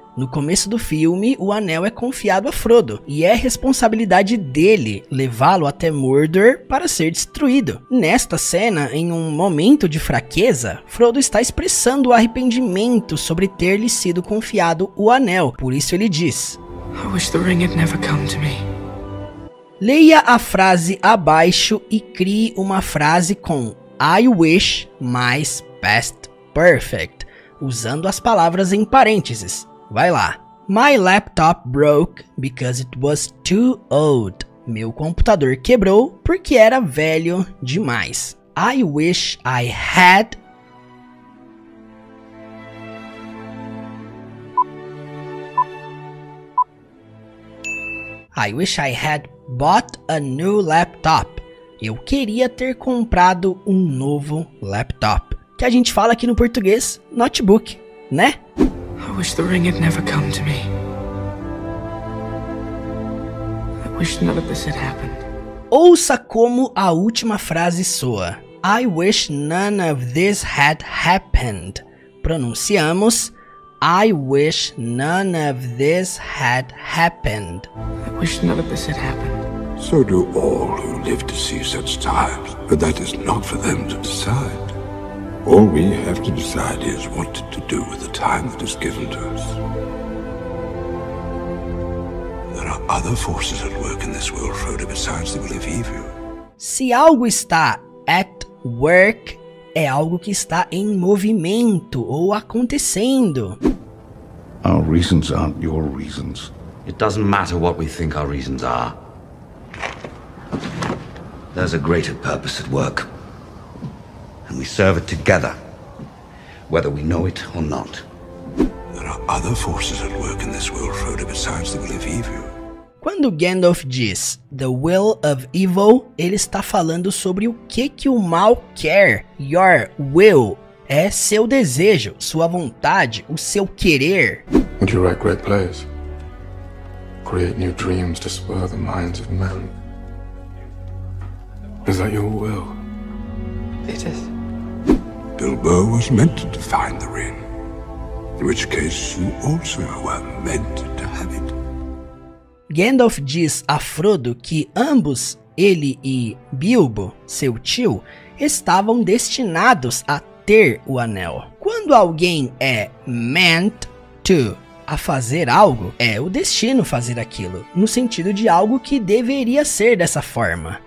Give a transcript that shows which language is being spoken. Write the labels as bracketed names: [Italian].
[Portuguese] No começo do filme, o anel é confiado a Frodo, e é responsabilidade dele levá-lo até Mordor para ser destruído. Nesta cena, em um momento de fraqueza, Frodo está expressando arrependimento sobre ter lhe sido confiado o anel, por isso ele diz: [English] I wish the ring had never come to me. [Portuguese] Leia a frase abaixo e crie uma frase com I wish mais past perfect, usando as palavras em parênteses. Vai lá. [English] My laptop broke because it was too old. [Portuguese] Meu computador quebrou porque era velho demais. [English] I wish I had. I wish I had bought a new laptop. [Portuguese] Eu queria ter comprado um novo laptop. Que a gente fala aqui no português, notebook, né? [English] I wish the ring had never come to me. I wish none of this had happened. [Portuguese] Ouça como a última frase soa. [English] I wish none of this had happened. [Portuguese] Pronunciamos [English] I wish none of this had happened. I wish none of this had happened. So do all who live to see such times, but that is not for them to decide. All we have to decide is what to do with the time that is given to us. There are other forces at work in this world, Frodo, besides the will of evil. [Portuguese] Se algo está at work, é algo que está em movimento ou acontecendo. [English] Our reasons aren't your reasons. It doesn't matter what we think our reasons are. There's a greater purpose at work. And we serve it together, whether we know it or not. There are other forces at work in this world, Frodo, besides the will of evil. [Portuguese] Quando Gandalf diz [English] the will of evil, [Portuguese] ele está falando sobre o que o mal quer. [English] Your will [Portuguese] é seu desejo, sua vontade, o seu querer. [English] Would you write great plays? Create new dreams to spur the minds of men. Is that your will? It is. Bilbo was meant to find the ring, in which case you also were meant to have it. [Portuguese] Gandalf diz a Frodo que ambos, ele e Bilbo, seu tio, estavam destinados a ter o anel. Quando alguém é meant to a fazer algo, é o destino fazer aquilo, no sentido de algo que deveria ser dessa forma.